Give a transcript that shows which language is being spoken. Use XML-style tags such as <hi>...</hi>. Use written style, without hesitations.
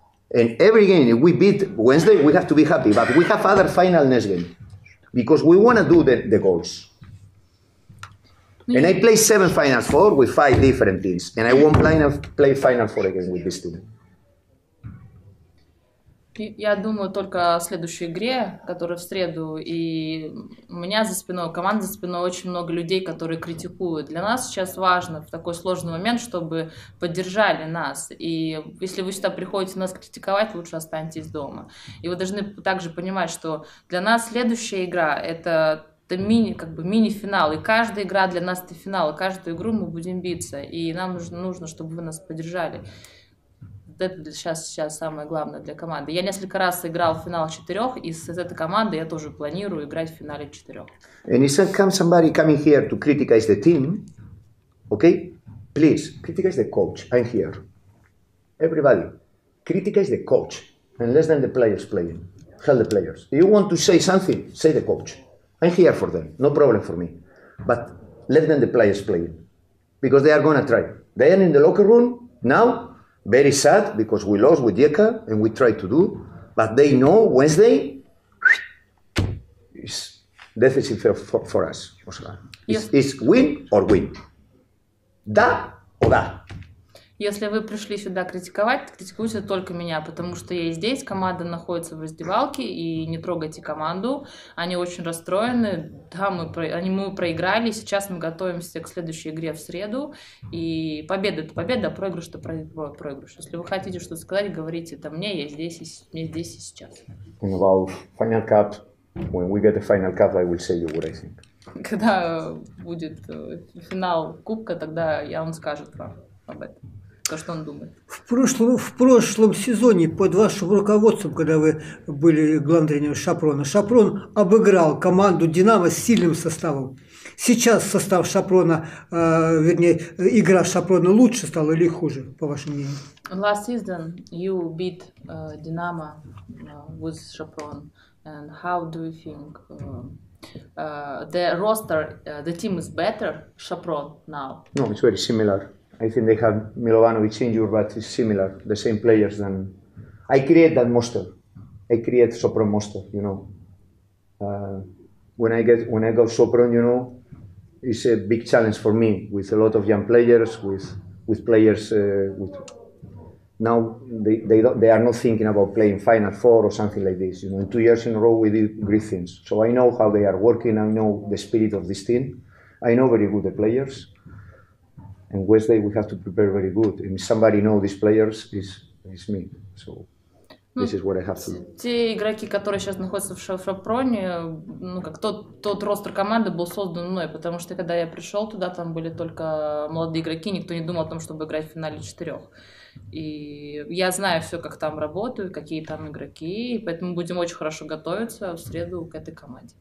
<en>And every game if we beat Wednesday, we have to be happy. But we have other final next game because we want to do the goals. And I play 7 finals 4 with 5 different teams. And I won't play final 4 again with this team.</en> <ru>Я думаю только о следующей игре, которая в среду, и у меня за спиной, у команды за спиной очень много людей, которые критикуют. Для нас сейчас важно в такой сложный момент, чтобы поддержали нас, и если вы сюда приходите нас критиковать, лучше останьтесь дома. И вы должны также понимать, что для нас следующая игра – это мини, как бы мини-финал, и каждая игра для нас – это финал, и каждую игру мы будем биться, и нам нужно, чтобы вы нас поддержали. Это сейчас самое главное для команды. Я несколько раз играл в финал четырех, и с этой командой я тоже планирую играть в финале четырех.</ru> <en>And if somebody coming here to criticize the team, okay, please criticize the coach. I'm here. Everybody, criticize the coach and less than the players playing. Help the players. If you want to say something, say the coach. I'm here for them. No problem for me. But less than the players playing, because they are going to try. They are in the locker room now. Very sad because we lost with Jeka and we tried to do, but they know Wednesday is deficit for us. It's win or win.</en> <ru>Да</ru> <en>or да.</en> <ru>Если вы пришли сюда критиковать, критикуйте только меня, потому что я и здесь, команда находится в раздевалке, и не трогайте команду, они очень расстроены, да, мы проиграли, сейчас мы готовимся к следующей игре в среду, и победа – это победа, а проигрыш – это проигрыш. Если вы хотите что-то сказать, говорите это мне, я здесь и сейчас.</ru> <en>Well, final cup, when we get the final cup, I will say you what I think.</en> <ru>Когда будет финал кубка, тогда я вам скажу вам об этом. То, что он думает. В прошлом сезоне под вашим руководством, когда вы были главным тренером Шапрона, Шапрон обыграл команду «Динамо» с сильным составом. Сейчас состав Шапрона, игра Шапрона лучше стала или хуже, по вашему мнению?</ru> <en>Last season you beat «Динамо» with Шапрон. And how do you think the roster, the team is better, Шапрон, now? No, it's very similar. I think they have Milovanovic injured, but it's similar, the same players. And I create that monster. I create Sopron monster, you know. When I got Sopron, you know, it's a big challenge for me with a lot of young players, with players. Now they are not thinking about playing Final Four or something like this. You know, in 2 years in a row we did great things, so I know how they are working. I know the spirit of this team. I know very good the players. And Wednesday we have to prepare very good. And somebody know these players is me. So this is what I have to do.</en> <ru>Те игроки, которые сейчас находятся в Шапроне, ну как тот ростер команды был создан мной, потому что когда я пришел туда, там были только молодые игроки, никто не думал о том, чтобы играть в финале четырех. И я знаю все, как там работают, какие там игроки, и поэтому будем очень хорошо готовиться в среду к этой команде.</ru>